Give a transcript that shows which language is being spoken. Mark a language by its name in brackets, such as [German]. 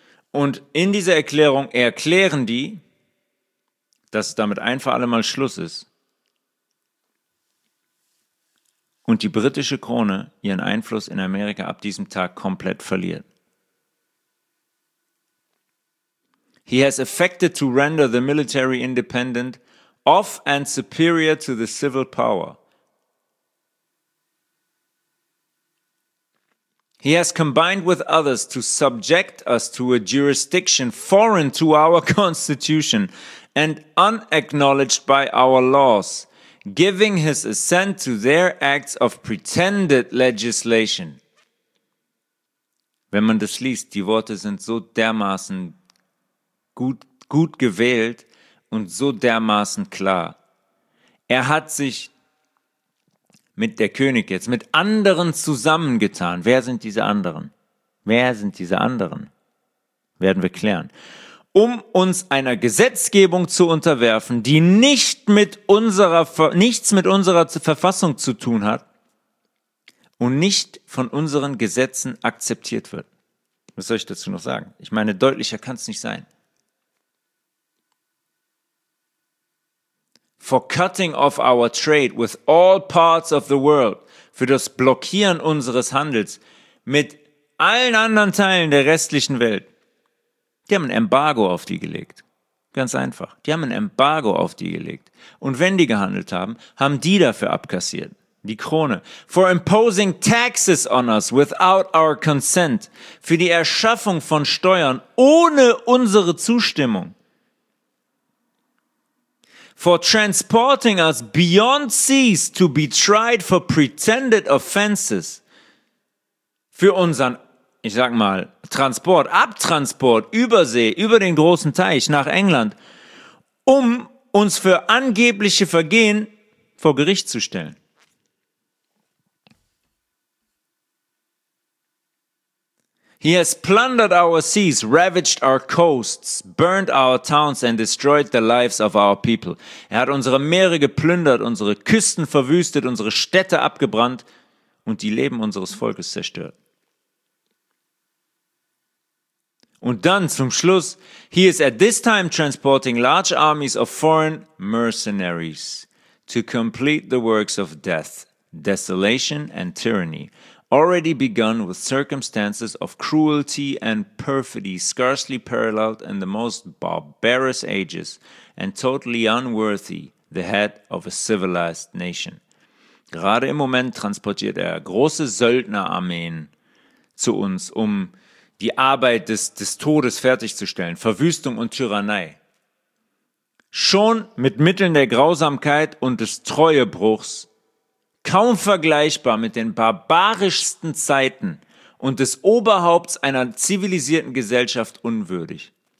[German] Und in dieser Erklärung erklären die, dass damit ein für alle Mal Schluss ist und die britische Krone ihren Einfluss in Amerika ab diesem Tag komplett verliert. [English] He has affected to render the military independent of and superior to the civil power. He has combined with others to subject us to a jurisdiction foreign to our constitution and unacknowledged by our laws, giving his assent to their acts of pretended legislation. [German] Wenn man das liest, die Worte sind so dermaßen gut gewählt und so dermaßen klar. Er hat sich mit der König jetzt, mit anderen zusammengetan. Wer sind diese anderen? Werden wir klären. Um uns einer Gesetzgebung zu unterwerfen, die nichts mit unserer Verfassung zu tun hat und nicht von unseren Gesetzen akzeptiert wird. Was soll ich dazu noch sagen? Ich meine, deutlicher kann es nicht sein. [English] For cutting off our trade with all parts of the world, [German] für das Blockieren unseres Handels mit allen anderen Teilen der restlichen Welt. Die haben ein Embargo auf die gelegt. Ganz einfach. Die haben ein Embargo auf die gelegt. Und wenn die gehandelt haben, haben die dafür abkassiert. Die Krone. [English] For imposing taxes on us without our consent. [German] Für die Erschaffung von Steuern ohne unsere Zustimmung. [English] For transporting us beyond seas to be tried for pretended offenses. [German] Für unseren, ich sag mal, Abtransport, über See, über den großen Teich nach England, um uns für angebliche Vergehen vor Gericht zu stellen. [English] He has plundered our seas, ravaged our coasts, burned our towns and destroyed the lives of our people. [German] Er hat unsere Meere geplündert, unsere Küsten verwüstet, unsere Städte abgebrannt und die Leben unseres Volkes zerstört. Und dann zum Schluss, [English] he is at this time transporting large armies of foreign mercenaries to complete the works of death, desolation and tyranny, already begun with circumstances of cruelty and perfidy scarcely paralleled in the most barbarous ages and totally unworthy the head of a civilized nation. [German] Gerade im Moment transportiert er große Söldnerarmeen zu uns, um die Arbeit des Todes fertigzustellen, Verwüstung und Tyrannei. Schon mit Mitteln der Grausamkeit und des Treuebruchs, kaum vergleichbar mit den barbarischsten Zeiten und des Oberhaupts einer zivilisierten Gesellschaft unwürdig.